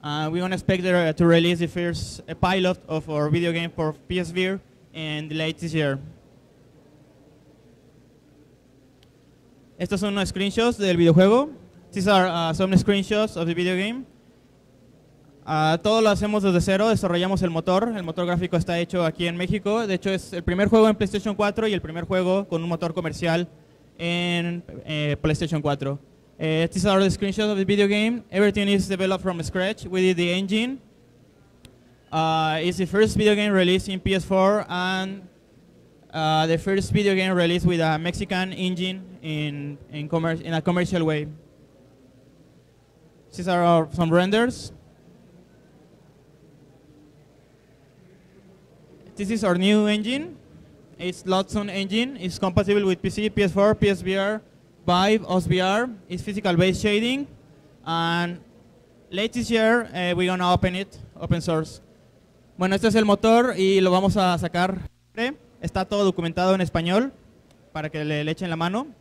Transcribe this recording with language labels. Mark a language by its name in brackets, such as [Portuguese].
[English] We don't expect to release the first pilot of our video game for PSVR in the late this year. [Spanish] Estos son unos screenshots del videojuego. [English] These are some screenshots of the video game. [Spanish] Todo lo hacemos desde cero, desarrollamos el motor. El motor gráfico está hecho aquí en México. De hecho, es el primer juego en PlayStation 4 y el primer juego con un motor comercial en PlayStation 4. [English] These are the screenshots of the video game. Everything is developed from scratch. We did the engine. It's the first video game released in PS4 and the first video game released with a Mexican engine in a commercial way. These are some renders. This is our new engine. It's Lodson engine. It's compatible with PC, PS4, PSVR, Vive, OSVR. It's physical-based shading. And late this year, we're going to open it, open source. [Spanish] Bueno, este es el motor y lo vamos a sacar. Está todo documentado en español para que le echen la mano.